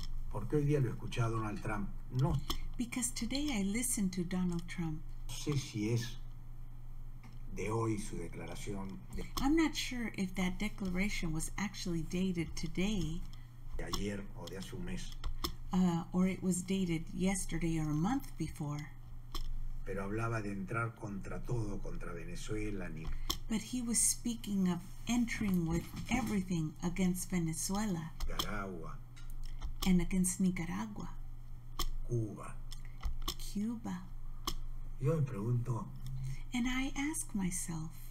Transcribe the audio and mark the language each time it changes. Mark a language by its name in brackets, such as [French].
[Spanish] Porque hoy día lo escuché a Donald Trump. No. [English] Because today I listened to Donald Trump. [Spanish] No sé si es de hoy su declaración de [English] I'm not sure if that declaration was actually dated today, [Spanish] de ayer o de hace un mes, [English] or it was dated yesterday or a month before, [Spanish] pero hablaba de entrar contra todo, contra Venezuela, ni [English] but he was speaking of entering with everything against Venezuela, [Spanish] Nicaragua, [English] and against Nicaragua, [Spanish] Cuba, [English] Cuba. [Spanish] Yo me pregunto, [English] and I ask myself,